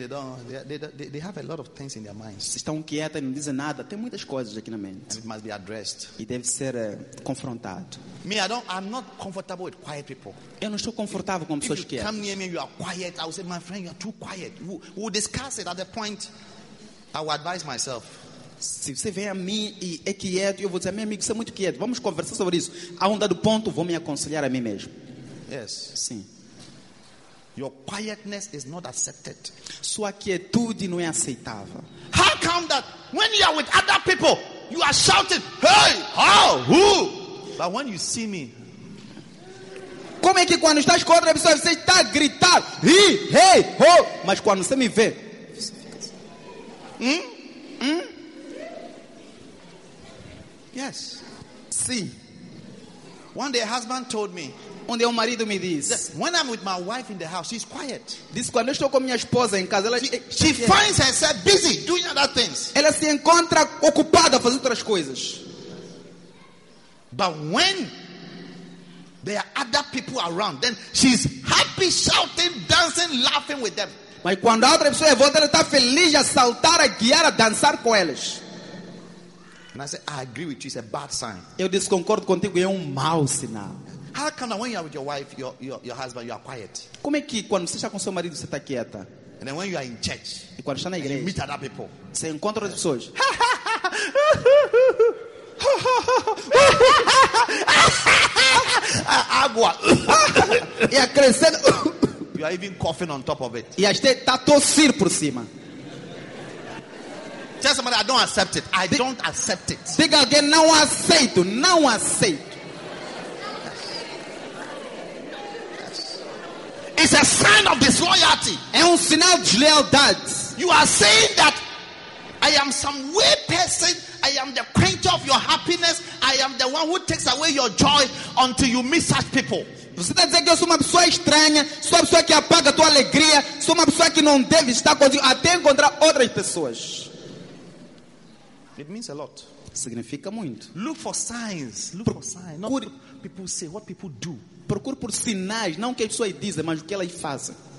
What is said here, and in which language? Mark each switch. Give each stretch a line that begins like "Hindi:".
English: They have a lot of things in their minds.
Portuguese: Estão quietas, não dizem nada. Tem muitas coisas aqui na mente.
English: And it must be addressed.
Portuguese: E deve ser confrontado.
English: Me, I'm not comfortable with quiet people.
Portuguese: Eu não estou confortável com pessoas quietas.
English: If you come near me, you are quiet. I will say, my friend, you are too quiet. We'll discuss it at the point. I will advise myself.
Portuguese: Se você vem a mim e é quieto, eu vou dizer, meu amigo, você é muito quieto. Vamos conversar sobre isso. A um dado ponto, vou me aconselhar a mim mesmo.
English: Yes.
Portuguese: Sim.
English: Your quietness is not accepted.
Portuguese: Sua quietude não é aceitável.
English: How come that when you are with other people, you are shouting, hey, how, who? But when you see me,
Portuguese: como é que quando estás com outra pessoa, você está a gritar, hey, ho? Mas quando você me vê,
English: Yes.
Portuguese: Sim.
English: One day a husband told me,
Portuguese: onde o marido me diz,
English: when I'm with my wife in the house, she's quiet.
Portuguese: Diz quando eu estou com minha esposa em casa, ela
English: she finds herself busy doing other things.
Portuguese: Ela se encontra ocupada fazendo outras coisas.
English: But when there are other people around, then she's happy shouting, dancing, laughing with them.
Portuguese: Mas quando a outra pessoa é volta, ela está feliz a saltar, a guiar, a dançar com elas.
English: And I said, I agree with you. It's a bad sign.
Portuguese: Eu desconcordo contigo. É mau sinal.
English: How come when you are with your wife, your husband, you are quiet?
Portuguese: Como é que quando você está com seu marido você está quieta?
English: And then when you are in church,
Portuguese: e quando está na igreja,
English: you meet other people.
Portuguese: Você encontra outras pessoas. Água. E acrescenta.
English: You are even coughing on top of it.
Portuguese: E até está tossir por cima.
English: Tell somebody, I don't accept it. I don't accept it.
Portuguese: Diga alguém, não aceito, não aceito.
English: It's a sign of disloyalty.
Portuguese: É um sinal de lealdade.
English: You are saying that I am some weird person. I am the creature of your happiness. I am the one who takes away your joy until you meet such people.
Portuguese: Você está dizendo que eu sou uma pessoa estranha, sou uma pessoa que apaga a tua alegria, sou uma pessoa que não deve estar contigo até encontrar outras pessoas.
English: It means a lot.
Portuguese: Significa muito.
English: Look for signs. Look for signs. Not what people say, what people do.
Portuguese: Procure por sinais, não o que as pessoas dizem, mas o que elas fazem.